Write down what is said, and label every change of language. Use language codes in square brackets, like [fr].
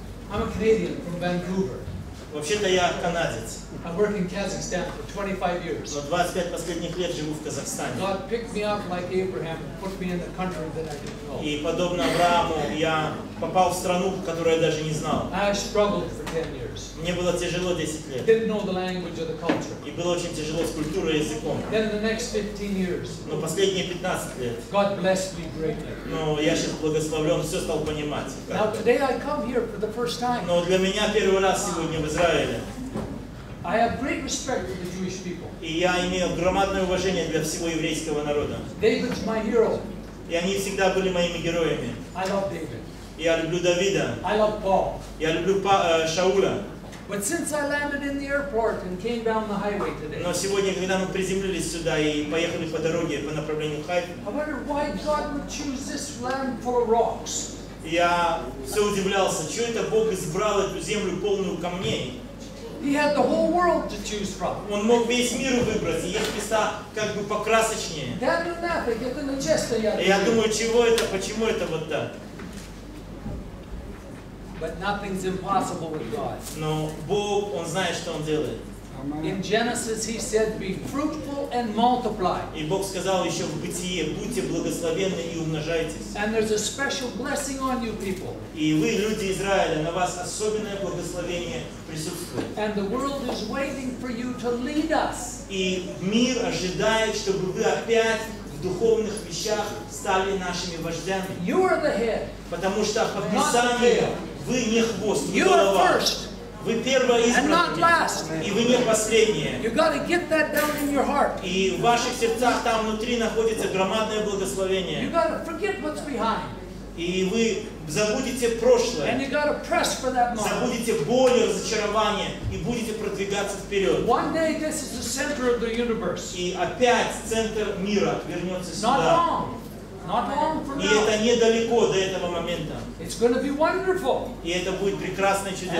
[en] I'm a Canadian from Vancouver. [ru] Вообще-то я канадец. [en] I work in Kazakhstan for 25 years. [ru] Но 25 последних лет живу в Казахстане. [en] God picked me up like Abraham and put me in the country that I didn't know. [ru] И подобно Аврааму я попал в страну, которую я даже не знал. [en] I struggled for 10 years. [ru] Мне было тяжело 10 лет. [en] Didn't know the language or the culture. [ru] И было очень тяжело с культурой и языком. [en] Then the next 15 years. [ru] Но последние 15 лет. [en] God blessed me greatly. [ru] Но я сейчас благословлен, все стал понимать. Как-то. [en] Now today I come here for the first time. [ru] Но для меня первый раз сегодня в Израиле. [en] I have great respect for the Jewish people. [ru] И я имею громадное уважение для всего еврейского народа. [en] David's my hero. [ru] И они всегда были моими героями. [en] I love David. [ru] Я люблю Давида. [en] I love Paul. [ru] Я люблю Шауля. [en] But since I landed in the airport and came down the highway today. [ru] Но сегодня, когда мы приземлились сюда и поехали по дороге по направлению Хайфа. [en] I wonder why God would choose this land for rocks. [ru] Я все удивлялся, что это Бог избрал эту землю полную камней. [en] He had the whole world to choose from. [ru] Он мог весь мир выбрать, и есть места как бы покрасочнее. [en] That or nothing, [ru] это нечестно, я думаю. Я думаю, чего это, почему это вот так? [en] But nothing's impossible with God. [ru] Но Бог, Он знает, что Он делает. [en] In Genesis He said, "Be fruitful and multiply." [ru] И Бог сказал еще в Бытие: будьте благословенны и умножайтесь. [en] And there's a special blessing on you people. [ru] И вы, люди Израиля, на вас особенное благословение присутствует. [en] And the world is waiting for you to lead us. [ru] И мир ожидает, чтобы вы опять в духовных вещах стали нашими вождями. [en] You are the head. [ru] Потому что по Писанию вы не хвост, вы [en] you [ru] голова. [en] Are first. [ru] Вы первое избрание, и вы не последнее. [en] You gotta get that down in your heart. [ru] И в ваших сердцах там внутри находится громадное благословение. [en] You gotta forget what's behind. [ru] и вы забудете прошлое, [en] and you gotta press for that moment. [ru] Забудете боль и разочарование, и будете продвигаться вперед. [en] One day this is the center of the universe. [ru] И опять центр мира вернется сюда. [en] Not long. Not long from now. [ru] И это недалеко до этого момента. [en] It's gonna be wonderful. [ru] И это будет прекрасное чудесное.